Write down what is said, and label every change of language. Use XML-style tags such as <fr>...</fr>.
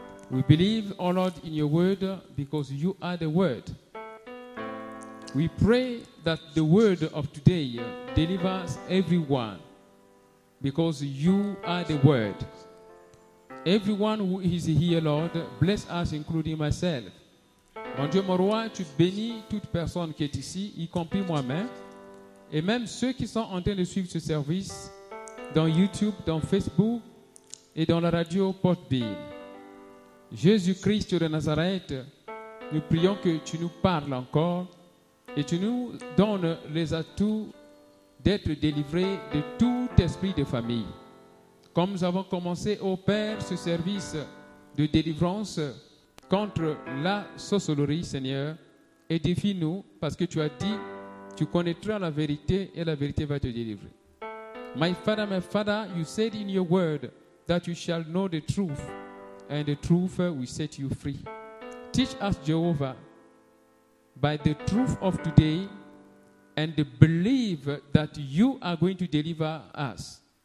<en>We believe, O Lord, in your word because you are the word. We pray that the word of today delivers everyone because you are the word. Everyone who is here, Lord, bless us, including myself.</en> <fr>Mon Dieu, mon roi, tu bénis toute personne qui est ici, y compris moi-même, et même ceux qui sont en train de suivre ce service dans YouTube, dans Facebook et dans la radio Portbill. Jésus-Christ de Nazareth, nous prions que tu nous parles encore et tu nous donnes les atouts d'être délivrés de tout esprit de famille. Comme nous avons commencé, ô Père, ce service de délivrance contre la sorcellerie, Seigneur, édifie-nous parce que tu as dit, tu connaîtras la vérité et la vérité va te délivrer.</fr> <en>My Father, you said in your word that you shall know the truth and the truth will set you free. Teach us, Jehovah, by the truth of today and believe that you are going to deliver us.</en>